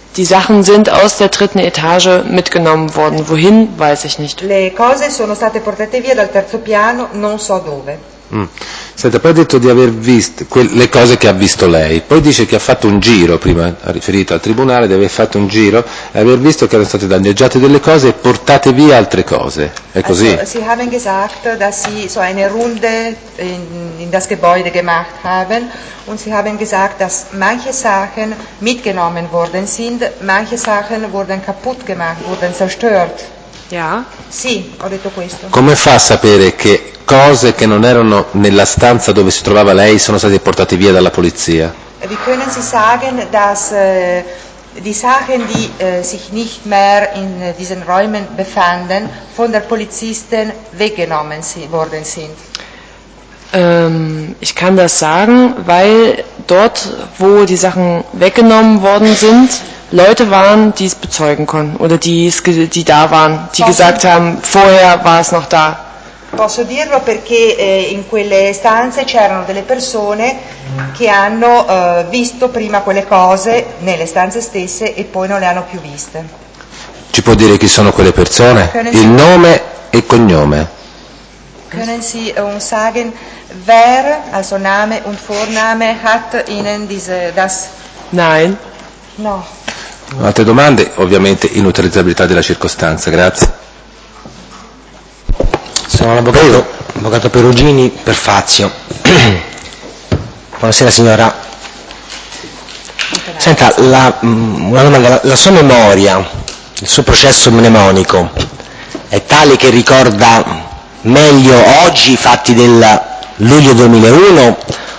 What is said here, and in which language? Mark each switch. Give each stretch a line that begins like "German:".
German: Die Sachen sind aus der dritten Etage mitgenommen worden. Wohin, weiß ich nicht.
Italian: Le cose sono state portate via dal terzo piano, non so dove. Senta, poi ha detto di aver visto le cose che ha visto lei. Poi dice che ha fatto un giro, prima ha riferito al tribunale, di aver fatto un giro e aver visto che erano state danneggiate delle cose e portate via altre cose. È così?
German: Also, sie haben gesagt, dass sie so eine Runde in das Gebäude gemacht haben und sie haben gesagt, dass manche Sachen mitgenommen worden sind, manche Sachen wurden kaputt gemacht, wurden zerstört. Ja.
Italian: Sì, ho detto questo. Come fa a sapere che cose che non erano nella stanza dove si trovava lei sono state portate via dalla polizia?
German: Wie können Sie sagen, dass die Sachen, die sich nicht mehr in diesen Räumen befanden, von der Polizisten weggenommen worden sind? Ich kann das sagen, weil dort, wo die Sachen weggenommen worden sind, Leute waren, die es bezeugen konnten oder die da waren, die gesagt haben, vorher war es noch da.
Italian: Posso dirlo perché in quelle stanze c'erano delle persone che hanno visto prima quelle cose nelle stanze stesse e poi non le hanno più viste. Ci può dire chi sono quelle persone? Il nome e cognome.
German: Können Sie uns sagen, wer, also Name und Vorname, hat Ihnen diese, das? Nein.
Italian: No. Altre domande? Ovviamente inutilizzabilità della circostanza, grazie. Sono l'avvocato, avvocato Perugini per Fazio. Buonasera signora. Senta, una domanda, la sua memoria, il suo processo mnemonico, è tale che ricorda meglio oggi i fatti del luglio 2001?